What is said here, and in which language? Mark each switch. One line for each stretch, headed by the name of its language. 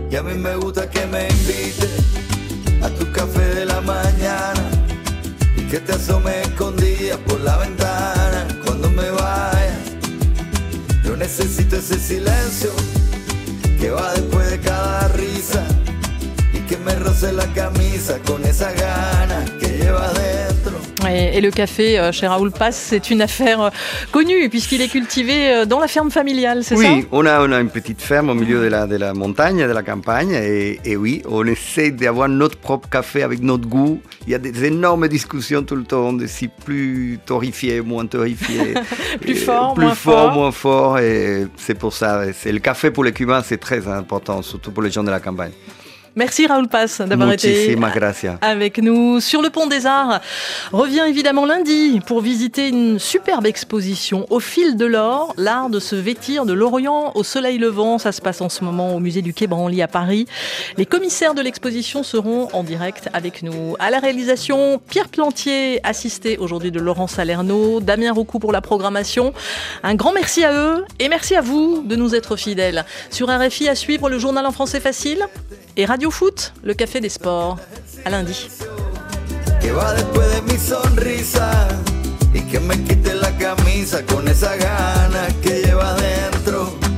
Spanish: Y a mí me gusta que me invites a tu café de la mañana y que te asome escondida por la ventana cuando me vaya. Yo necesito ese silencio que va después de cada risa y que me roce la camisa con esa gana que lleva dentro.
French: Et le café chez Raoul Paz, c'est une affaire connue puisqu'il est cultivé dans la ferme familiale, c'est oui, ça? Oui, on a une petite ferme au milieu de la montagne, de la campagne. Et oui, on essaie d'avoir notre propre café avec notre goût. Il y a des énormes discussions tout le temps de si plus torréfié, moins torréfié. plus fort, moins fort. Et c'est pour ça. C'est le café pour les Cubains, c'est très important, surtout pour les gens de la campagne. Merci Raoul Paz d'avoir
Spanish: Muchísima
French: été
Spanish: gracias.
French: Avec nous sur le Pont des Arts. Reviens évidemment lundi pour visiter une superbe exposition au fil de l'or, l'art de se vêtir de l'Orient au soleil levant. Ça se passe en ce moment au musée du Quai Branly à Paris. Les commissaires de l'exposition seront en direct avec nous. À la réalisation, Pierre Plantier, assisté aujourd'hui de Laurent Salerno, Damien Roucou pour la programmation. Un grand merci à eux et merci à vous de nous être fidèles. Sur RFI, à suivre le journal en français facile et Radio Foot, le café des sports. À lundi.
Spanish: Que va después de mi sonrisa y que me quite la camisa con esa gana que lleva dentro.